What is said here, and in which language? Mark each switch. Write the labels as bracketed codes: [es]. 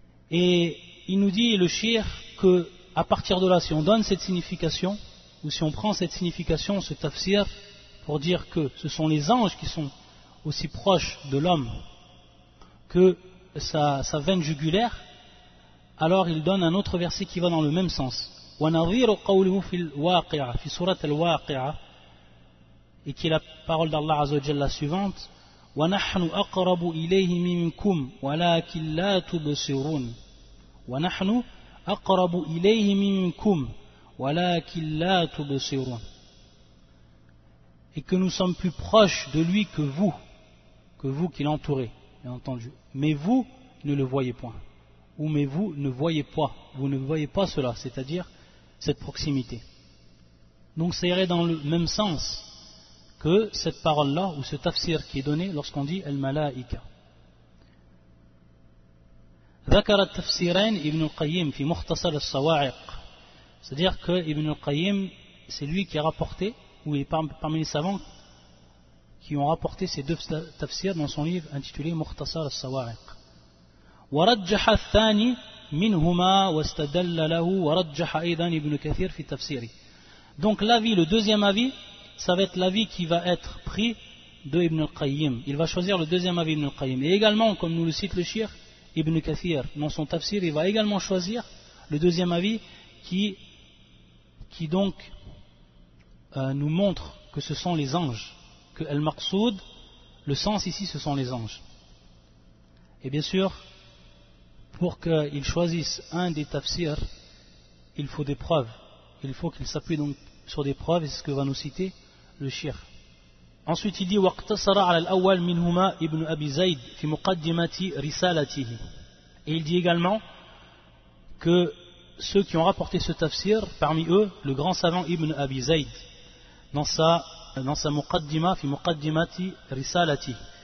[fr] Et il nous dit, le shir, que à partir de là, si on donne cette signification, ou si on prend cette signification, ce tafsir, pour dire que ce sont les anges qui sont aussi proche de l'homme que sa veine jugulaire, alors il donne un autre verset qui va dans le même sens. [ar] وَنَظِيرُ قَوْلِهُ فِي الْوَاقِعَ فِي سُورَةِ الْوَاقِعَ, [fr] et qui est la parole d'Allah Azza wa Jalla suivante, [ar] وَنَحْنُ أَقْرَبُ إِلَيْهِ مِنْكُمْ وَلَكِنْ لَا تُبْصِرُونَ. وَنَحْنُ أَقْرَبُ إِلَيْهِ مِنْكُمْ وَلَكِنْ لَا تُبْصِرُونَ. [fr] Et que nous sommes plus proches de lui que vous qui l'entourez, bien entendu. Mais vous ne le voyez point. Ou mais vous ne voyez pas. Vous ne voyez pas cela, c'est-à-dire cette proximité. Donc ça irait dans le même sens que cette parole-là, ou ce tafsir qui est donné lorsqu'on dit Al-Mala'ika. [ar] ذكر التفسيرين ابن القيم في مختصر الصواعق. [fr] C'est-à-dire que Ibn al-Qayyim, c'est lui qui a rapporté, ou parmi les savants qui ont rapporté ces deux tafsirs dans son livre intitulé Mukhtasar al-Sawa'iq. [ar] وَرَجَّحَ الثَّانِي مِنْهُمَا وَاسْتَدَلَّ لَهُ وَرَجَّحَ أَيْضًا ابن كثير في تفسيري. [fr] Donc l'avis, le deuxième avis, ça va être l'avis qui va être pris de Ibn al-Qayyim. Il va choisir le deuxième avis Ibn al-Qayyim. Et également, comme nous le cite le shir, Ibn Kathir, dans son tafsir, il va également choisir le deuxième avis qui nous montre que ce sont les anges, que Al-Maqsoud, Le sens ici, ce sont les anges. Et bien sûr, pour qu'ils choisissent un des tafsirs, il faut des preuves. Il faut qu'ils s'appuient donc sur des preuves, et c'est ce que va nous citer le shir. Ensuite, il dit [ar] وَاقْتَصَرَ عَلَى الْأَوَّلْ مِنْهُمَا ابْنُ أَبِي زَيْدِ فِي مُقَدِّمَةِ رِسَالَتِهِ. [fr] Et il dit également que ceux qui ont rapporté ce tafsir, parmi eux, le grand savant Ibn Abi Zayd, dans sa muqaddima, fi muqaddimati risalati.